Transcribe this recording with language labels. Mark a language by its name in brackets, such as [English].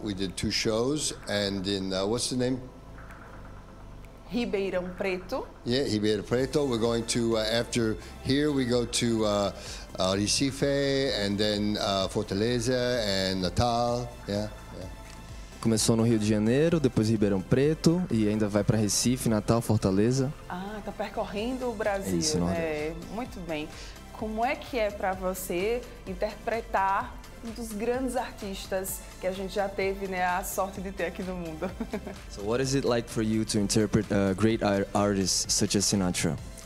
[English] We did two shows and in, what's the name? Ribeirão Preto. Yeah, Ribeirão Preto. We're going to, after here, we go to Recife and then Fortaleza and Natal. Yeah, yeah. [Portuguese] Começou no Rio de Janeiro, depois Ribeirão Preto e ainda vai para Recife, Natal, Fortaleza. Ah, tá percorrendo o Brasil, é isso, né? Muito bem. Como é que é para você interpretar um dos grandes artistas que a gente já teve, né, a sorte de ter aqui no mundo? [English] So what is it like for you to interpret a great artist such as Sinatra?